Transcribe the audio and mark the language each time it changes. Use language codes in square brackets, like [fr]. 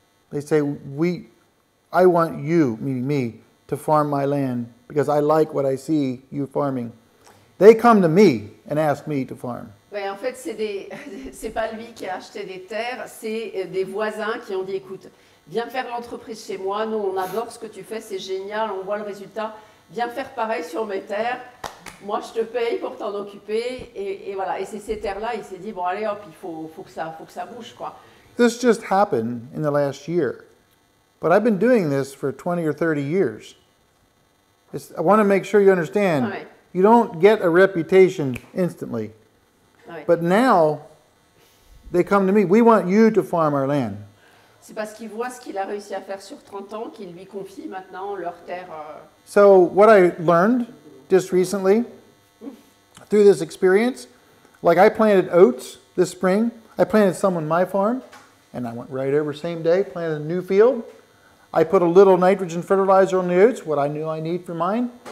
[en] They say, I want you, meaning me, to farm my land because I like what I see you farming. They come to me and ask me to farm. [fr] Mais en fait, c'est pas lui qui a acheté des terres, c'est des voisins qui ont dit, écoute, viens faire l'entreprise chez moi, nous on adore ce que tu fais, c'est génial, on voit le résultat, viens faire pareil sur mes terres, moi je te paye pour t'en occuper, et voilà. Et c'est ces terres-là, il s'est dit, bon allez hop, il faut que ça bouge, quoi. [en] This just happened in the last year. But I've been doing this for 20 or 30 years. I want to make sure you understand. [fr] Oui. [en] You don't get a reputation instantly. [fr] Oui. [en] But now, they come to me. We want you to farm our land. [fr] C'est parce qu'ils voient ce qu'il a réussi à faire sur 30 ans qu'ils lui confient maintenant leur terre. [en] So what I learned just recently through this experience, like I planted oats this spring. I planted some on my farm. And I went right over same day, planted a new field. I put a little nitrogen fertilizer on the oats, what I knew I need for mine.